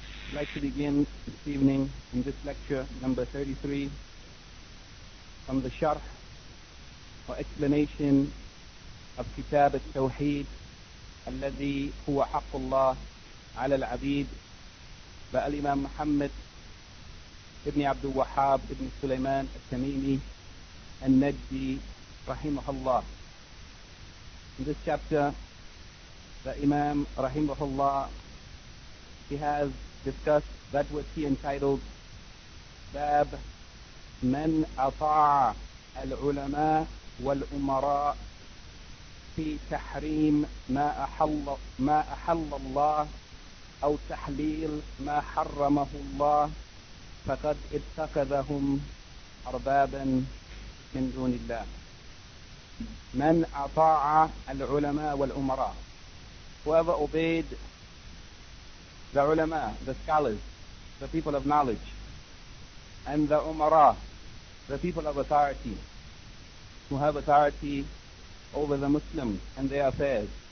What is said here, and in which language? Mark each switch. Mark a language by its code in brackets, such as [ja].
[en] I'd like to begin this evening in this lecture, number 33, from the sharh or explanation of Kitab al-Tawheed, [ar] الذي هو حق الله على العبيد, [en] by Al-Imam Muhammad ibn Abdul Wahhab ibn Sulaiman al-Tamimi [ar] النجدي رحمه الله. [en] In this chapter, the Imam رحمه الله, he has discussed that which he entitled [ar] باب من أطاع العلماء والأمراء في تحريم ما أحل الله أو تحليل ما حرمه الله فقد اتخذهم أربابا من دون الله. من أطاع العلماء والأمراء, [en] whoever obeyed the ulama, the scholars, the people of knowledge, and the umara, the people of authority, who have authority over the Muslims and their affairs,